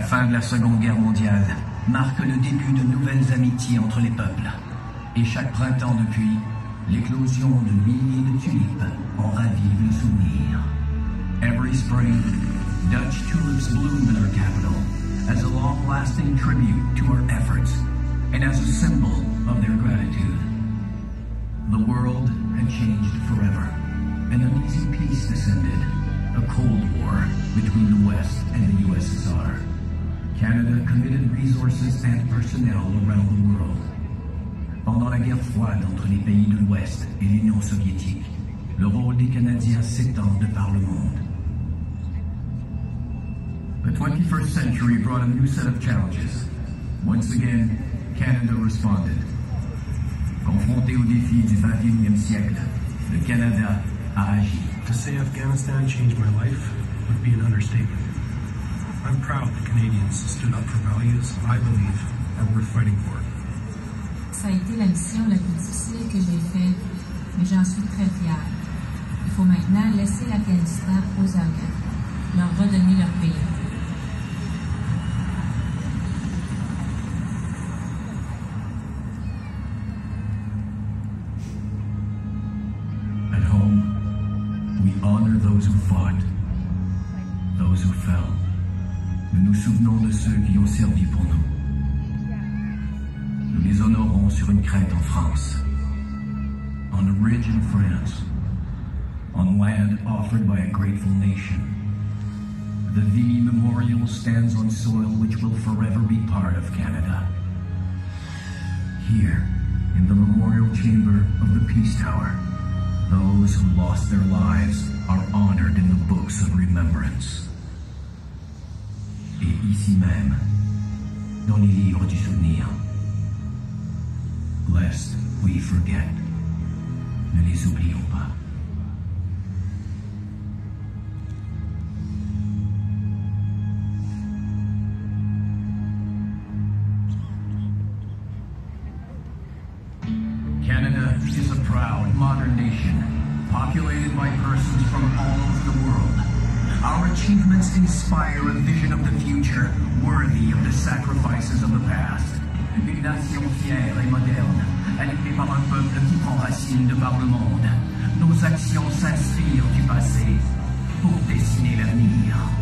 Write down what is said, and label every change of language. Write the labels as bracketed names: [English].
[French] La Seconde Guerre mondiale marque le début de nouvelles amitiés entre les peuples. Et chaque printemps depuis, l'éclosion de milliers de tulipes en ravive le souvenir. [English] Every spring, Dutch tulips bloom in our capital as a long-lasting tribute to our efforts and as a symbol of their gratitude. The world had changed forever. An uneasy peace descended, a cold war between the West and the USSR. Canada committed resources and personnel around the world. [French] Pendant la guerre froide entre les pays de l'Ouest et l'Union soviétique, le rôle des Canadiens s'étend de par le monde. [English] The 21st century brought a new set of challenges. Once again, Canada responded. [French] Confronté aux défis du 21e siècle, le Canada a agi. [English] To say Afghanistan changed my life would be an understatement. I'm proud that Canadians stood up for values I believe are worth fighting for. [French] Ça a été la mission la plus difficile que j'ai faite, mais j'en suis très fier. Il faut maintenant laisser l'Afghanistan aux Afghans, leur redonner leur pays. [English] At home, we honor those who fought, those who fell. [French] Nous nous souvenons de ceux qui ont servi pour nous. Nous les honorons sur une crête en France. [English] On a ridge in France. On land offered by a grateful nation. The V Memorial stands on soil which will forever be part of Canada. Here, in the memorial chamber of the Peace Tower, those who lost their lives are honored in the books of remembrance. [French] Et ici même, dans les livres du souvenir, [English] lest we forget, [French] ne les oublions pas. [English] Canada is a proud modern nation, populated by persons from all over the world. Our achievements inspire a vision of the future worthy of the sacrifices of the past. [French] Une nation fière et moderne, animée par un peuple qui prend racine de par le monde. Nos actions s'inspirent du passé pour dessiner l'avenir.